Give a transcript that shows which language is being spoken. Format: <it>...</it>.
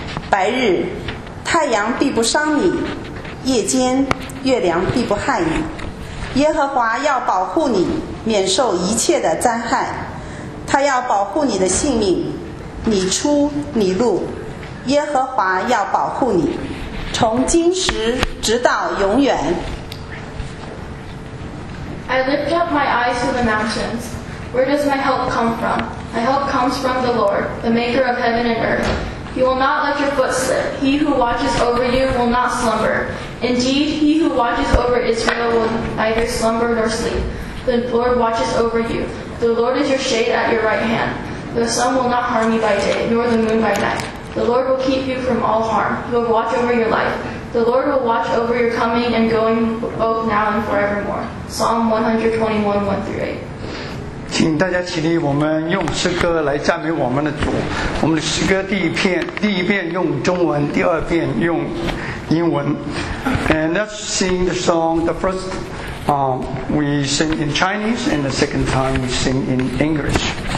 <zh>白日太阳必不伤你，夜间月亮必不害你。耶和华要保护你免受一切的灾害，他要保护你的性命，你出你入，耶和华要保护你，从今时直到永远。</zh> <en>I lift up my eyes to the mountains. Where does my help come from? My help comes from the Lord, the maker of heaven and earth. He will not let your foot slip. He who watches over you will not slumber. Indeed, he who watches over Israel will neither slumber nor sleep. The Lord watches over you. The Lord is your shade at your right hand. The sun will not harm you by day, nor the moon by night. The Lord will keep you from all harm. He will watch over your life. The Lord will watch over your coming and going both now and forevermore. Psalm 121, 1 through 8.</en> <zh>请大家起立，我们用诗歌来赞美我们的主。我们的诗歌第一遍用中文，第二遍用英文。</zh> <en>And let's sing the song. The first, we sing in Chinese, and the second time we sing in English.</en>